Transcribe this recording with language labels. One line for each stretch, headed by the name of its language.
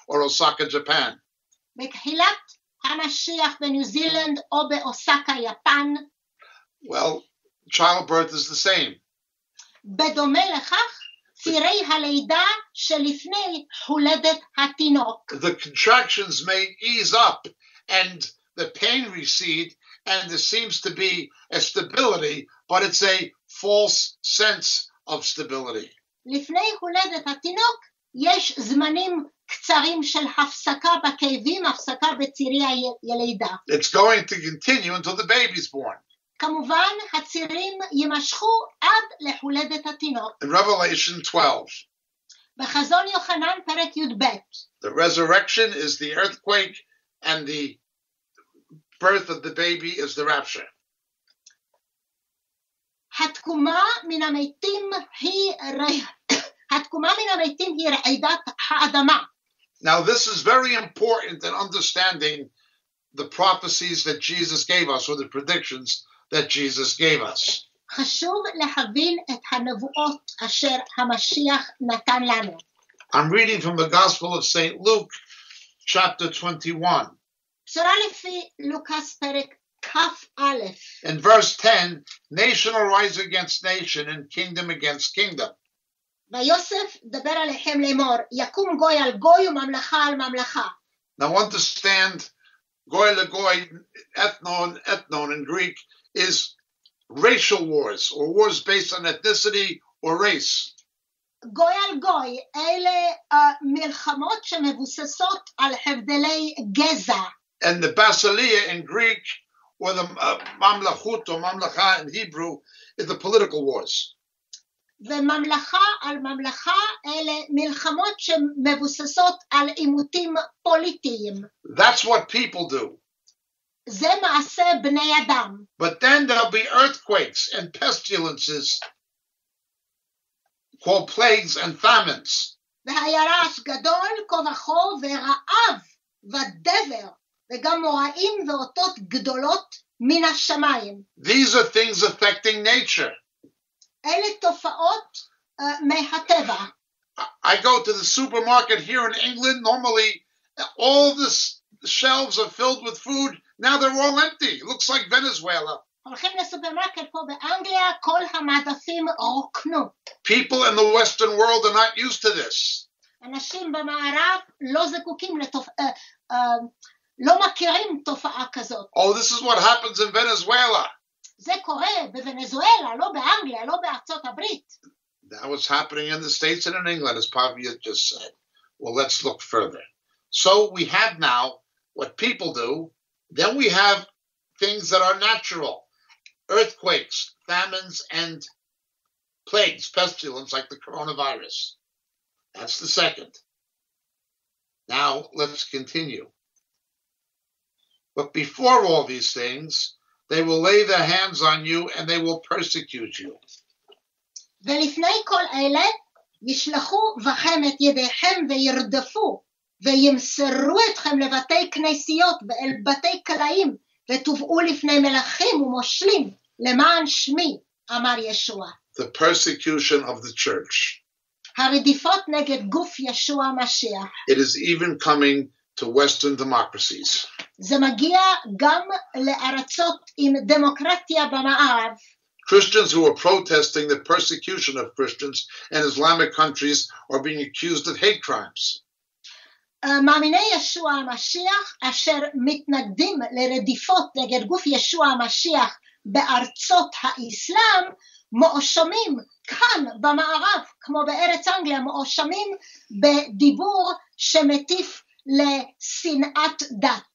English: Or Osaka, Japan.
Hebrew: בקהילת המשיח בניו זילנד או באוסאקה, יפן.
English: Well, childbirth is the same.
Hebrew: בדומה לכך, צירי הלידה שלפני הולדת התינוק.
English: The contractions may ease up and the pain recede and there seems to be a stability, but it's a false sense of stability.
Hebrew: לפני הולדת התינוק יש זמנים קצרים של הפסקה בכאבים, הפסקה בצירי הלידה.
English: It's going to continue until the baby's born.
Hebrew: כמובן, הצירים יימשכו עד להולדת התינוק.
English: In Revelation 12.
Hebrew: בחזון יוחנן פרק י"ב.
English: The resurrection is the earthquake and the birth of the baby is the rapture.
Hebrew: התקומה מן המתים היא רעידת האדמה.
English: Now this is very important in understanding the prophecies that Jesus gave us or the predictions that Jesus gave us.
Hebrew: חשוב להבין את הנבואות אשר המשיח נתן לנו.
English: I'm reading from the Gospel of St. Luke, chapter 21.
Hebrew: בשורה לפי לוקס פרק כף א'.
English: In verse 10, nation will rise against nation and kingdom against kingdom.
Hebrew: ויוסף דבר עליכם לאמור, יקום גוי על גוי וממלכה על ממלכה.
English: Now understand, goy le goy, ethnon, ethnon in Greek, is racial wars, or wars based on ethnicity or race.
Hebrew: גוי על גוי, אלה מלחמות שמבוססות על הבדלי גזע.
English: And the basileia in Greek, or the mamlachut or mamlacha in Hebrew, is the political wars.
Hebrew: וממלכה על ממלכה אלה מלחמות שמבוססות על אימותים פוליטיים.
English: That's what people do.
Hebrew: זה מעשה בני אדם.
English: But then there'll be earthquakes and pestilences called plagues and famines.
Hebrew: והיה רעש גדול, כובחו ורעב ודבר, וגם מוראים ואותות גדולות מן השמיים.
English: These are things affecting nature.
Hebrew: אלה תופעות מהטבע.
English: I go to the supermarket here in England, normally all the shelves are filled with food, now they're all empty. It looks like Venezuela.
Hebrew: הולכים לסופרמרקט פה באנגליה, כל המדפים רוקנו.
English: People in the Western world are not used to this.
Hebrew: אנשים במערב לא זקוקים לא מכירים תופעה כזאת.
English: Oh, this is what happens in Venezuela.
Hebrew: זה קורה בוונזואלה, לא באנגליה, לא בארצות הברית.
English: That was happening in the States and in England, as Pavia just said. Well, let's look further. So we have now what people do, then we have things that are natural. Earthquakes, famines, and plagues, pestilence, like the coronavirus. That's the second. Now, let's continue. But before all these things, they will lay their hands on you and they will persecute you.
Hebrew: ולפני כל אלה ישלחו בכם את ידיהם וירדפו וימסרו אתכם לבתי כנסיות ואל בתי קלעים ותובעו לפני מלאכים ומושלים למען שמי, אמר ישוע.
English: The persecution of the church.
Hebrew: הרדיפות נגד גוף ישוע המשיח.
English: It is even coming to Western democracies.
Hebrew: זה מגיע גם לארצות עם דמוקרטיה במערב.
English: Christians who are protesting the persecution of Christians in Islamic countries are being accused of hate crimes.
Hebrew: מאמיני ישוע המשיח אשר מתנגדים לרדיפות נגד גוף ישוע המשיח בארצות האסלאם מואשמים כאן במערב, כמו בארץ אנגליה, מואשמים בדיבור שמטיף לשנאת דת.